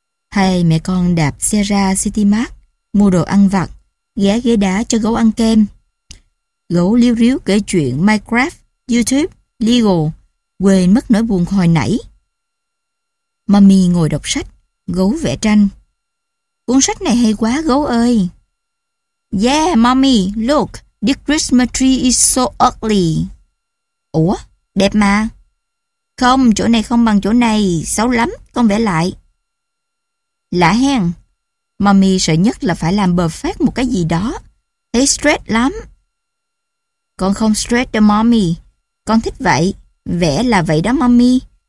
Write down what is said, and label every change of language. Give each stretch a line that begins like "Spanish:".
Vietnamese: Hai mẹ con đạp xe ra City Mart, mua đồ ăn vặt, ghé ghế đá cho gấu ăn kem. Gấu liêu ríu kể chuyện Minecraft, YouTube, Lego, quên mất nỗi buồn hồi nãy. Mommy ngồi đọc sách, gấu vẽ tranh. Cuốn sách này hay quá gấu ơi.
English: Yeah mommy, look, the Christmas tree is so ugly.
Vietnamese: Ủa, đẹp mà. Không, chỗ này không bằng chỗ này, xấu lắm, con vẽ lại. Lạ hen. Mommy sợ nhất là phải làm perfect một cái gì đó, thấy stress lắm. Con không stress đâu mommy, con thích vậy. Vẽ là vậy đó mommy.